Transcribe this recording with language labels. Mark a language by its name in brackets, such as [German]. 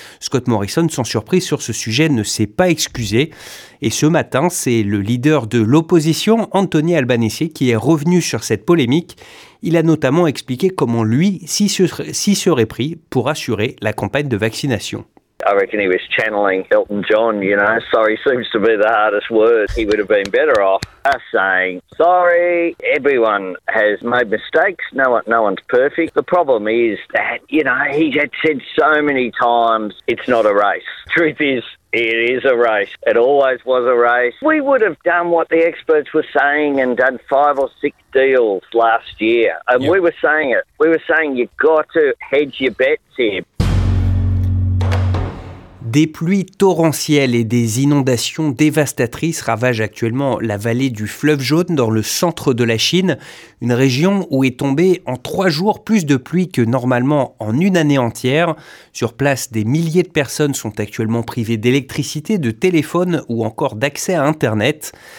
[French] Scott Morrison, sans surprise sur ce sujet, ne s'est pas excusé. Et ce matin, c'est le leader de l'opposition, Anthony Albanese, qui est revenu sur cette polémique. Il a notamment expliqué comment lui s'y serait pris pour assurer la campagne de vaccination. [English] I reckon he was channeling Elton John, you know. Sorry seems to be the hardest word. He would have been better off us saying, sorry, everyone has made mistakes. No one's perfect. The problem is that, you know, he had said so many times, it's not a race. Truth is, it is a race. It always was a race. We would have done what the experts were saying and done 5 or 6 deals last year. And yep. We were saying it. We were saying you've got to hedge your bets here. [French] Des pluies torrentielles et des inondations dévastatrices ravagent actuellement la vallée du fleuve jaune dans le centre de la Chine, une région où est tombée en 3 jours plus de pluie que normalement en une année entière. Sur place, des milliers de personnes sont actuellement privées d'électricité, de téléphone ou encore d'accès à Internet.